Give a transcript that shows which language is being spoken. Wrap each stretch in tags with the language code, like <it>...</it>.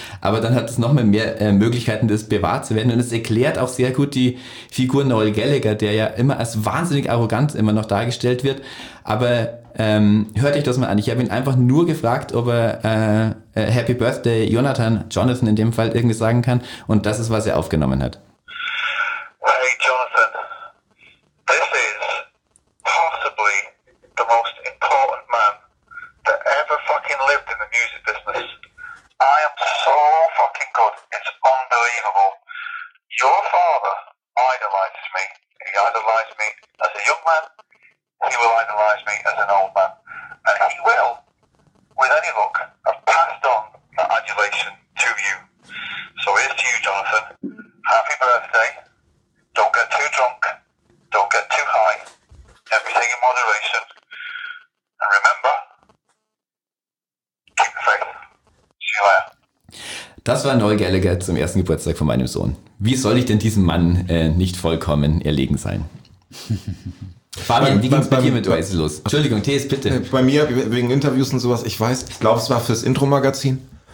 <de>Aber dann hat es nochmal mehr Möglichkeiten, das bewahrt zu werden. Und es erklärt auch sehr gut die Figur Noel Gallagher, der ja immer als wahnsinnig arrogant immer noch dargestellt wird. Aber hört euch das mal an. Ich habe ihn einfach nur gefragt, ob er Happy Birthday Jonathan in dem Fall irgendwie sagen kann. Und das ist, was er aufgenommen hat.</de> <en>Hey Jonathan, this is possibly the most important man that ever fucking lived in the music business. I am so fucking good. It's unbelievable. Your father idolizes me. He idolized me as a young man. He will idolize me as an old man. And he will, with any luck, have passed on that adulation to you. So here's to you, Jonathan. Happy birthday. Don't get too drunk. Don't get too high. Everything in moderation. And remember, keep the faith. See you later.</en> <de>Das war Noel Gallagher zum ersten Geburtstag von meinem Sohn. Wie soll ich denn diesem Mann nicht vollkommen erlegen sein? Fabian, wie ging es bei dir mit Oasis los? Entschuldigung, TS, bitte. Bei mir, wegen Interviews und sowas, ich glaube, es war fürs Intro-Magazin.</de>